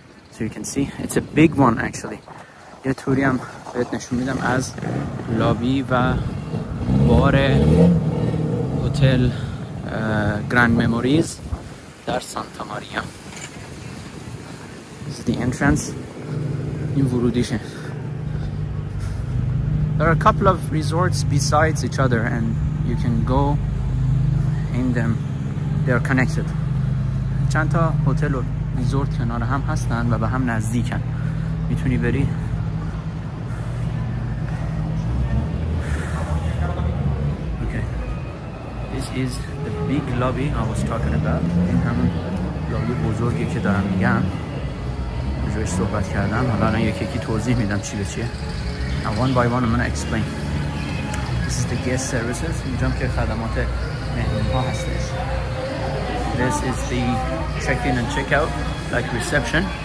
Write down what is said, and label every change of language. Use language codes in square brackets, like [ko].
[en] So you can see, it's a big one actually. [fa] یه توری هم بهت نشون میدم از لابی و بار هتل گراند مموریز در سانتا ماریا. [en] This is the entrance. [fa] این ورودیشه. [en] There are a couple of resorts besides each other and you can go in them. They are connected. [fa] چند تا هتل و ریزورت کنار هم هستن و به هم نزدیکن. میتونی بری. [en] Is the big lobby I was talking about. [fa] این همون لابی بزرگی که دارم میگم. بجوش صحبت کردم. حالا الان یکی یکی توضیح میدم چی به چیه. [en] And one by one I'm gonna explain. This is the guest services. [fa] اینجام که خدمات مهمونها هستش. [en] This is the check-in and check-out, like reception.